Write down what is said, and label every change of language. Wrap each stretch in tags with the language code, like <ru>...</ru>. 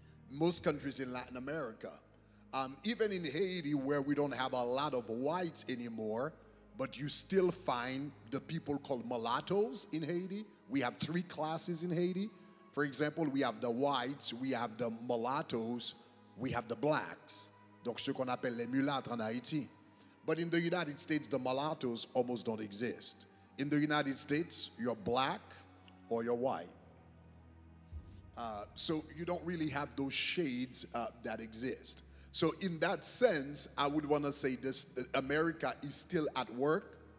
<en>Most countries in Latin America, even in Haiti, where we don't have a lot of whites anymore, but you still find the people called mulattoes in Haiti. We have three classes in Haiti. For example, we have the whites, we have the mulattoes, we have the blacks.</en> <fr>Donc, ce qu'on appelle les mulâtres en Haïti.</fr> <en>But in the United States, the mulattoes almost don't exist. In the United States, you're black or you're white. So you don't really have those shades that exist. So in that sense, I would want to say this: America is still at work.</en>